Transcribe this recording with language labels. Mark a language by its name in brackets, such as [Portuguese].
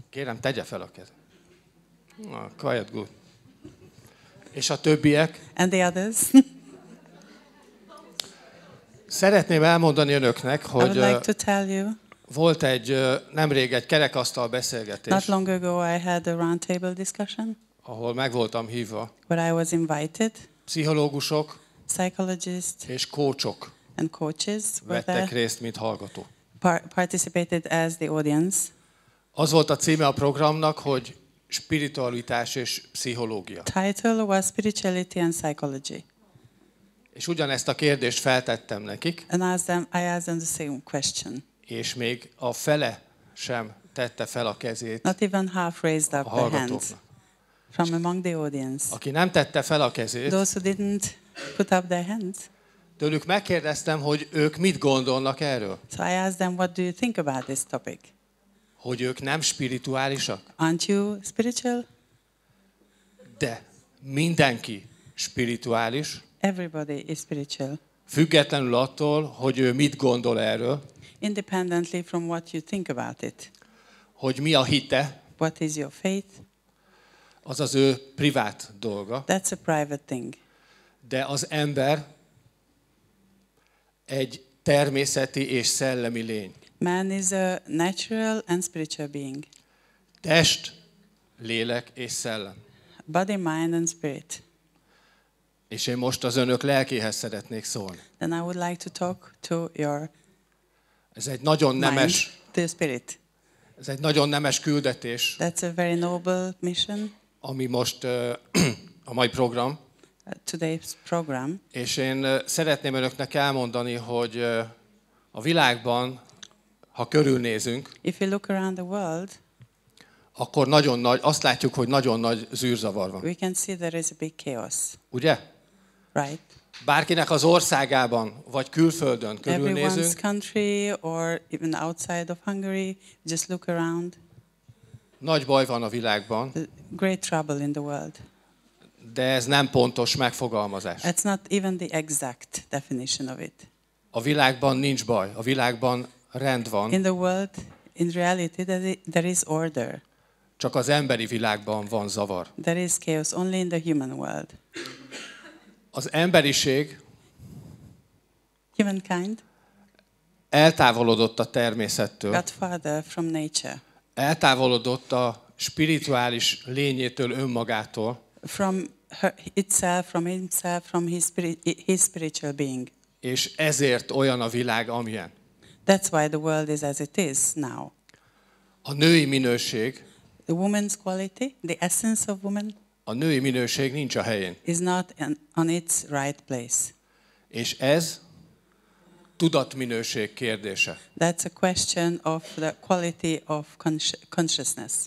[Hungarian] Kérem, tegye fel a kezét. [English] Quiet, good. [Hungarian] És a többiek? [English] And the others? [Hungarian] Szeretném elmondani önöknek, hogy [English] I would like to tell you, [Hungarian] volt egy nemrég egy kerekasztal beszélgetés. [English] Not long ago I had a round table discussion. [Hungarian] Ahol meg voltam hívva. [English] Where I was invited. [Hungarian] Pszichológusok. [English] Psychologists. [Hungarian] És coachok. [English] And coaches [Hungarian] vettek részt, mint hallgató. [English] Participated as the audience. [Hungarian] Az volt a címe a programnak, hogy spiritualitás és pszichológia. [English] Title was spirituality and psychology. [Hungarian] És ugyanezt a kérdést feltettem nekik. [English] And I asked them the same question. [Hungarian] És még a fele sem tette fel a kezét. [English] Not even half raised up the hands. From among the audience. [Hungarian] Aki nem tette fel a kezét. [English] Those who didn't put up their hands. [Hungarian] Tőlük megkérdeztem, hogy ők mit gondolnak erről. [English] So I asked them, what do you think about this topic? [Hungarian] Hogy ők nem spirituálisak? [English] Aren't you spiritual? [Hungarian] De mindenki spirituális. [English] Everybody is spiritual. [Hungarian] Függetlenül attól, hogy ő mit gondol erről. [English] Independently from what you think about it. [Hungarian] Hogy mi a hite. [English] What is your faith? [Hungarian] Az az ő privát dolga. [English] That's a private thing. [Hungarian] De az ember egy természeti és szellemi lény. [English] Man is a natural and spiritual being. [Hungarian] Test, lélek és szellem. [English] Body, mind and spirit. [Hungarian] És én most az önök lelkéhez szeretnék szólni. [English] Then I would like to talk to your [Hungarian] ez egy nagyon nemes, [English] mind, to your spirit. [Hungarian] Ez egy nagyon nemes küldetés. [English] That's a very noble mission. [Hungarian] Ami most a mai program. [English] Today's program. [Hungarian] És én szeretném önöknek elmondani, hogy a világban, ha körülnézünk, [English] if you look around the world, [Hungarian] akkor nagyon nagy, azt látjuk, hogy nagyon nagy zűrzavar van. [English] We can see there is a big chaos. [Hungarian] Ugye? [English] Right. [Hungarian] Bárkinek az országában vagy külföldön körülnézünk. [English] Everyone's country or even outside of Hungary, just look around. [Hungarian] Nagy baj van a világban. [English] Great trouble in the world. [Hungarian] De ez nem pontos megfogalmazás. [English] It's not even the exact definition of it. [Hungarian] A világban nincs baj, a világban rend van. [English] In the world, in reality, there is order. [Hungarian] Csak az emberi világban van zavar. [English] There is chaos only in the human world. [Hungarian] Az emberiség, [English] humankind, [Hungarian] eltávolodott a természettől. [English] Got farther from nature. [Hungarian] Eltávolodott a spirituális lényétől, önmagától. [English] From her, itself, from himself, from his spiritual being. [Hungarian] És ezért olyan a világ, amilyen. [English] That's why the world is as it is now. [Hungarian] A női minőség. [English] The woman's quality, the essence of woman. [Hungarian] A női minőség nincs a helyén. [English] Is not on its right place. [Hungarian] És ez tudatminőség kérdése. [English] That's a question of the quality of consciousness.